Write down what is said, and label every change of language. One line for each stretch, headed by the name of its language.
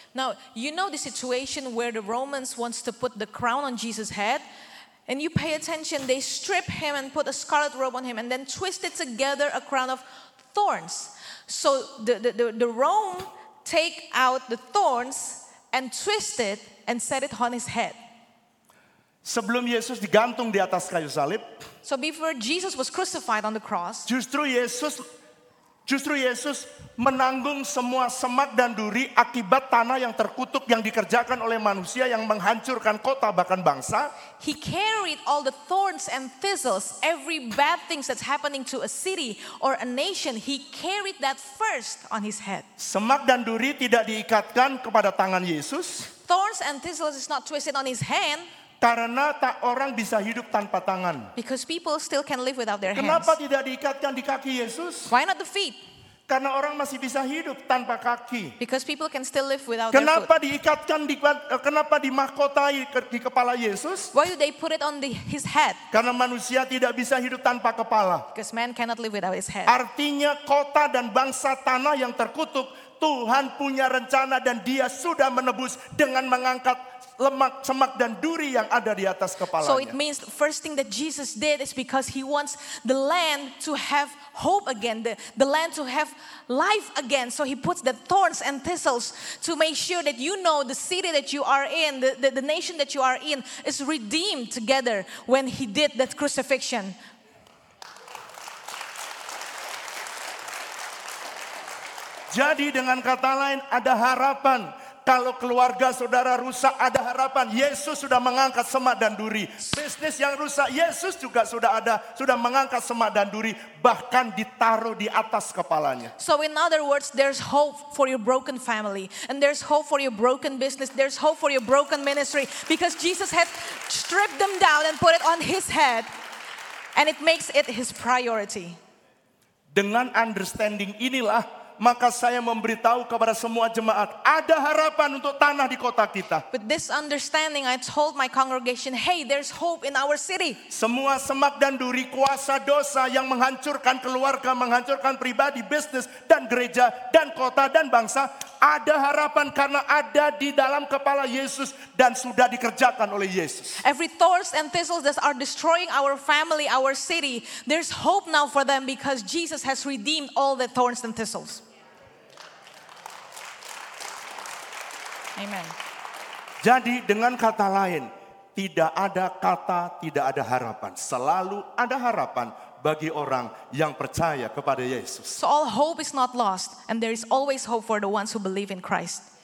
English: Now, you know the situation where the Romans wants to put the crown on Jesus' head, and you pay attention, they strip him and put a scarlet robe on him and then twist it together a crown of thorns. So the Rome take out the thorns and twist it and set it on his head.
Indonesian: Sebelum Yesus digantung di atas kayu salib,
English: so before Jesus was crucified on the cross,
Indonesian: justru Yesus menanggung semua semak dan duri akibat tanah yang terkutuk yang dikerjakan oleh manusia yang menghancurkan kota bahkan bangsa.
English: He carried all the thorns and thistles, every bad thing that's happening to a city or a nation, he carried that first on his head.
Indonesian: Semak dan duri tidak diikatkan kepada tangan Yesus.
English: Thorns and thistles is not twisted on his hand.
Indonesian: Karena tak orang bisa hidup tanpa tangan.
English: Because people still can live without their hands.
Indonesian: Kenapa tidak diikatkan di kaki Yesus?
English: Why not the feet?
Indonesian: Karena orang masih bisa hidup tanpa kaki.
English: Because people can still live without
Indonesian: kenapa
English: their foot.
Indonesian: Kenapa dimahkotai di kepala Yesus?
English: Why do they put it on his head?
Indonesian: Karena manusia tidak bisa hidup tanpa kepala.
English: Because man cannot live without his head.
Indonesian: Artinya kota dan bangsa tanah yang terkutuk, Tuhan punya rencana dan dia sudah menebus dengan mengangkat lemak, semak dan duri yang ada di atas kepalanya.
English: So it means the first thing that Jesus did is because he wants the land to have hope again, the land to have life again. So he puts the thorns and thistles to make sure that you know the city that you are in, the nation that you are in is redeemed together when he did that crucifixion.
Indonesian: Jadi dengan kata lain ada harapan. Kalau keluarga saudara rusak, ada harapan. Yesus sudah mengangkat semak dan duri. Bisnis yang rusak, Yesus juga sudah mengangkat semak dan duri. Bahkan ditaruh di atas kepalanya.
English: So in other words, there's hope for your broken family. And there's hope for your broken business. There's hope for your broken ministry. Because Jesus has stripped them down and put it on his head. And it makes it his priority.
Indonesian: Dengan understanding inilah, maka saya memberitahu kepada semua jemaat, ada harapan untuk tanah di kota kita.
English: With this understanding, I told my congregation, hey, there's hope in our city.
Indonesian: Semua semak dan duri kuasa dosa yang menghancurkan keluarga, menghancurkan pribadi, bisnis, dan gereja, dan kota, dan bangsa, ada harapan karena ada di dalam kepala Yesus dan sudah dikerjakan oleh Yesus.
English: Every thorns and thistles that are destroying our family, our city, there's hope now for them because Jesus has redeemed all the thorns and thistles. Amen.
Indonesian: Jadi dengan kata lain, tidak ada kata tidak ada harapan. Selalu ada harapan bagi orang yang percaya kepada Yesus.
English: So all hope is not lost, and there is always hope for the ones who believe in Christ.